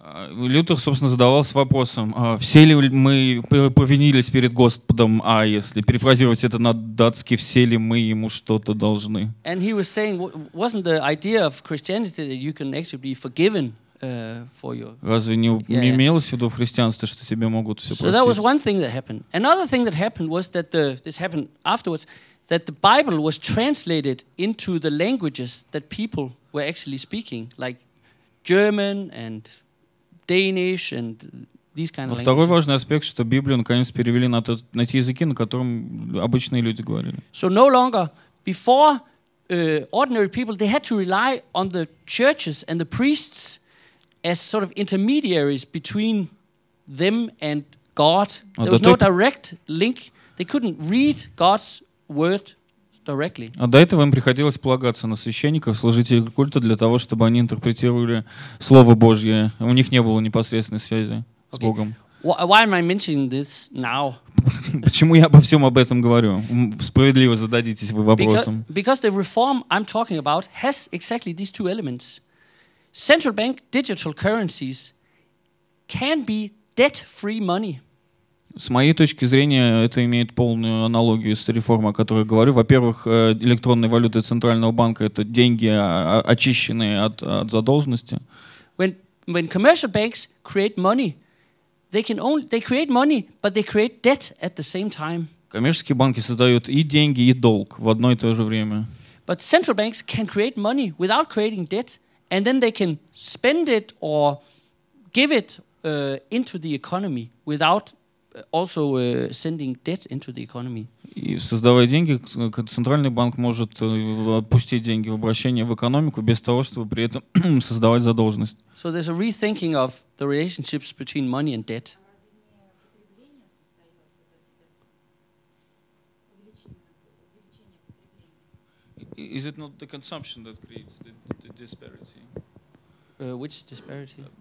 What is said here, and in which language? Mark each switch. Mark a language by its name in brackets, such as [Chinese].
[Russian] Лютер, собственно, задавался вопросом, все ли мы повинились перед Господом, а если перефразировать это на датский, все ли мы ему что-то должны? [English] And he was saying, wasn't the idea of Christianity that you can actually be forgiven for your... [Russian] Разве не, yeah, не имелось в виду в христианстве, что тебе могут все [English] so [Russian] простить? [English] So that was one thing that happened. Another thing that happened was that the, this happened afterwards, that the Bible was translated into the languages that people were actually speaking, like German and Danish and these kind of languages. [Russian] Второй важный аспект, что Библию наконец перевели на тот, на те языки, на котором обычные люди говорили. [English] So no longer before ordinary people, they had to rely on the churches and the priests as sort of intermediaries between them and God. There was no direct link. They couldn't read God's word directly. [Russian] А до этого им приходилось полагаться на священников, служителей культа для того, чтобы они интерпретировали Слово Божье. У них не было непосредственной связи с Богом. [English] Why am I mentioning this now? [Russian] Почему я обо всем об этом говорю? Справедливо зададитесь вы вопросом. [English] Because the reform I'm talking about has exactly these two elements. Central bank digital currencies can be debt-free money. [Russian] С моей точки зрения, это имеет полную аналогию с реформой, о которой говорю. Во-первых, электронные валюты Центрального банка — это деньги, очищенные от, от задолженности. [English] When commercial banks create money, they can only, they create money, but they create debt at the same time. [Russian] Коммерческие банки создают и деньги, и долг в одно и то же время. [English] But central banks can create money without creating debt, and then they can spend it or give it into the economy without also sending debt into the economy. [Russian] И создавая деньги, центральный банк может отпустить деньги в обращение в экономику без того, чтобы при этом создавать задолженность. [English] So there's a rethinking of the relationships between money and debt. Is it not the consumption that creates the disparity? Which disparity?